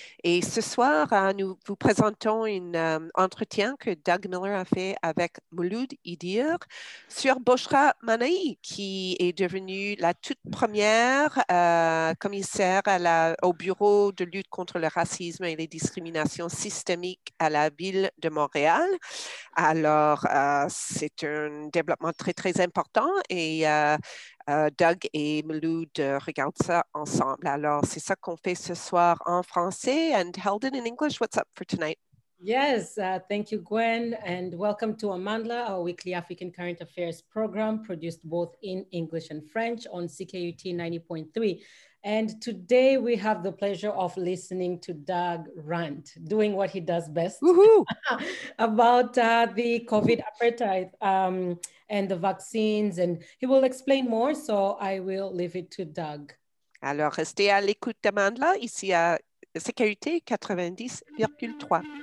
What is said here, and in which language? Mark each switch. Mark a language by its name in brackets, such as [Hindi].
[French] Et ce soir, nous vous présentons un entretien que Doug Miller a fait avec Mouloud Idir sur Bouchra Manaï, qui est devenue la toute première commissaire au Bureau de lutte contre le racisme et les discriminations systémiques à la ville de Montréal. Alors, c'est un développement très, très important et Doug et Mouloud regardent ça ensemble. Alors, c'est ça qu'on fait ce soir en français. [English] And Helden in English, what's up for tonight? Yes, thank you, Gwen, and welcome to Amandla, our weekly African current affairs program produced both in English and French on CKUT 90.3. And today we have the pleasure of listening to Doug rant, doing what he does best, about the COVID apartheid and the vaccines. And he will explain more, so I will leave it to Doug. [French] Alors, restez à l'écoute d'Amandla, ici à CKUT 90.3.